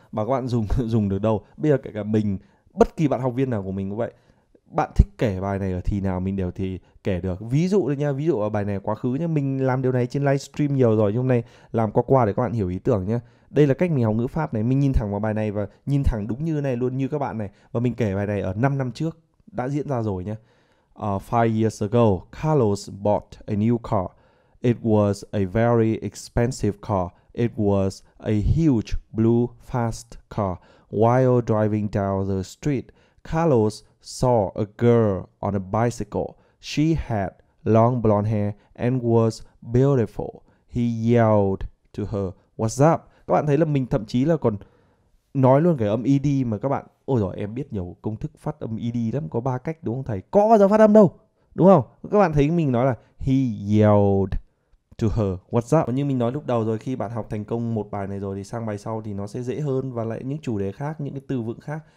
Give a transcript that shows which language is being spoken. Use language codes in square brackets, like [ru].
[vi] Mà các bạn dùng được đâu. Bây giờ kể cả mình, bất kỳ bạn học viên nào của mình cũng vậy, bạn thích kể bài này ở thì nào mình đều thì kể được. Ví dụ đây nha, ví dụ ở bài này quá khứ nhá, mình làm điều này trên livestream nhiều rồi, nhưng hôm nay làm qua để các bạn hiểu ý tưởng nhá. Đây là cách mình học ngữ pháp này, mình nhìn thẳng vào bài này và nhìn thẳng đúng như này luôn, như các bạn này, và mình kể bài này ở 5 năm trước đã diễn ra rồi nhá. [en] 5 years ago, Carlos bought a new car. It was a very expensive car. It was a huge blue fast car. While driving down the street, Carlos saw a girl on a bicycle. She had long blonde hair and was beautiful. He yelled to her, "What's up?" [vi] Các bạn thấy là mình thậm chí là còn nói luôn cái âm ED mà các bạn, ôi giời em biết nhiều công thức phát âm ED lắm, có 3 cách đúng không thầy? Có bao giờ phát âm đâu, đúng không? Các bạn thấy mình nói là [en] he yelled to her, what's up? [vi] Như mình nói lúc đầu rồi, khi bạn học thành công một bài này rồi thì sang bài sau thì nó sẽ dễ hơn, và lại những chủ đề khác, những cái từ vựng khác.